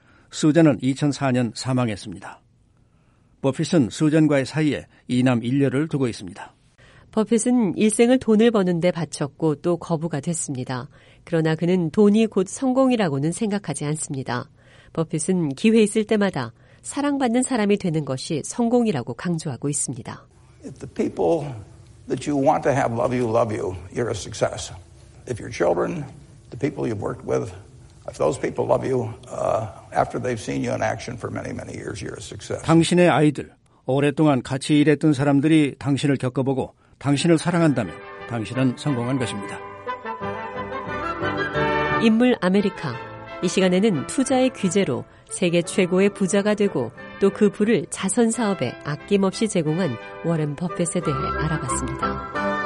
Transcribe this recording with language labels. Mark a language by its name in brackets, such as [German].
[Korean] 수전은 2004년 사망했습니다. 버핏은 수전과의 사이에 이남 1녀를 두고 있습니다. 버핏은 일생을 돈을 버는 데 바쳤고 또 거부가 됐습니다. 그러나 그는 돈이 곧 성공이라고는 생각하지 않습니다. 버핏은 기회 있을 때마다 사랑받는 사람이 되는 것이 성공이라고 강조하고 있습니다. [English] If the people that you want to have love you, you're a success. If your children, the people you've worked with, if those people love you, after they've seen you in action for many, many years, you're a success. [Korean] 당신의 아이들, 오랫동안 같이 일했던 사람들이 당신을 겪어보고 당신을 사랑한다면 당신은 성공한 것입니다. 인물 아메리카. 이 시간에는 투자의 귀재로 세계 최고의 부자가 되고 또 그 부를 자선사업에 아낌없이 제공한 워렌 버핏에 대해 알아봤습니다.